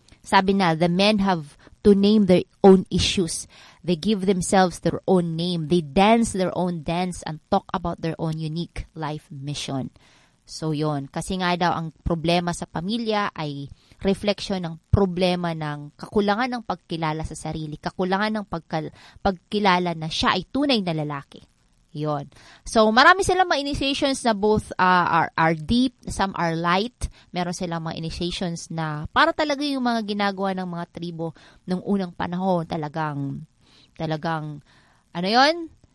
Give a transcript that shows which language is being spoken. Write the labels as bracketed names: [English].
[Filipino] Sabi na, [English] the men have to name their own issues. They give themselves their own name. They dance their own dance and talk about their own unique life mission. [Filipino] So yon, kasi nga daw ang problema sa pamilya ay reflection ng problema ng kakulangan ng pagkilala sa sarili, kakulangan ng pagkilala na siya ay tunay na lalaki. Yon. [English] So [Filipino] marami silang mga initiations na [English] both are deep, some are light. [Filipino] Meron silang mga initiations na para talaga yung mga ginagawa ng mga tribo nung unang panahon, talagang ano yon?